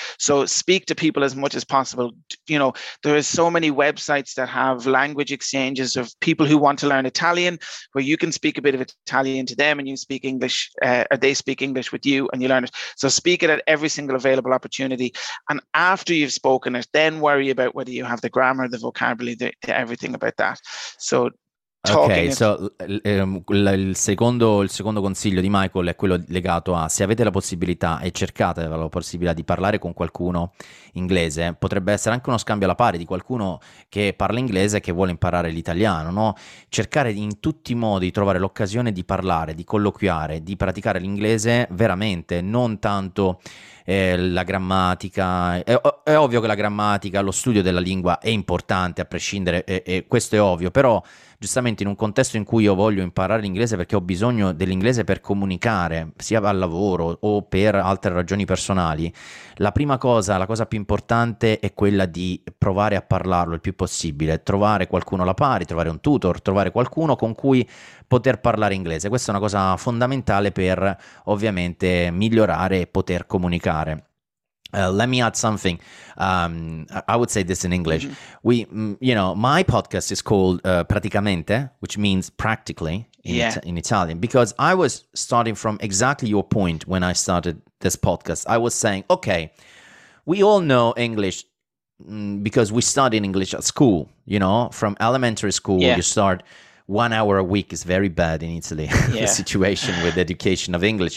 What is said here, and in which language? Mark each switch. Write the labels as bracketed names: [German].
[English] So speak to people as much as possible. You know, there are so many websites that have language exchanges of people who want to learn Italian, where you can speak a bit of Italian to them and you speak English, or they speak English with you and you learn it. So speak it at every single available opportunity. And after you've spoken it, then worry about whether you have the grammar, the vocabulary, the everything about that. So [Italian] ok, so il secondo consiglio di Michael è quello legato a se avete la possibilità e cercate la possibilità di parlare con qualcuno inglese, potrebbe essere anche uno scambio alla pari di qualcuno che parla inglese e che vuole imparare l'italiano, no? Cercare in tutti i modi di trovare l'occasione di parlare, di colloquiare, di praticare l'inglese veramente, non tanto la grammatica. È ovvio che la grammatica, lo studio della lingua è importante a prescindere, e questo è ovvio, però giustamente in un contesto in cui io voglio imparare l'inglese perché ho bisogno dell'inglese per comunicare sia al lavoro o per altre ragioni personali, la prima cosa, la cosa più importante è quella di provare a parlarlo il più possibile, trovare qualcuno alla pari, trovare un tutor, trovare qualcuno con cui poter parlare inglese. Questa è una cosa fondamentale per ovviamente migliorare e poter comunicare. [English] Let me add something. I would say this in English. Mm-hmm. We, you know, my podcast is called Praticamente, which means practically in Italian, because I was starting from exactly your point when I started this podcast. I was saying, okay, we all know English because we study in English at school, you know, from elementary school, you start 1 hour a week is very bad in Italy, the situation with education of English.